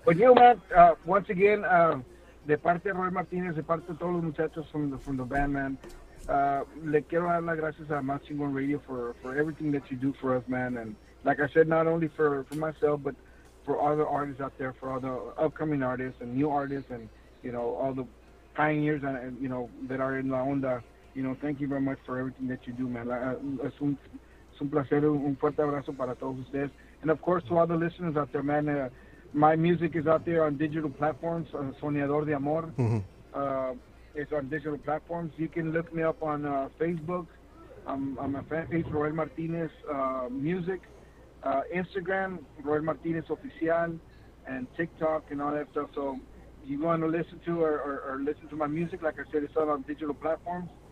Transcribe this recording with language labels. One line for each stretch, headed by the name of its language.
English: But you know, man, once again,
Spanish: de parte Roel Martinez, de parte todos los muchachos
English: from the band, man,
Spanish: le quiero dar las gracias a
English: Machine Gun Radio for everything that you do for us, man. And like I said, not only for myself, but for all the artists out there, for all the upcoming artists and new artists and, you know, all the pioneers, you know, that are in La Onda. You know, thank you very much for everything that you do, man.
Spanish: Es un placer, un fuerte abrazo para todos ustedes.
English: And, of course, to all the listeners out there, man, my music is out there on digital platforms, Soñador de Amor. Mm-hmm. It's on digital platforms. You can look me up on Facebook. I'm a fan page, Roel Martinez Music. Instagram, Roel Martinez Oficial, and TikTok and all that stuff. So you want to listen to or listen to my music, like I said, it's all on digital platforms.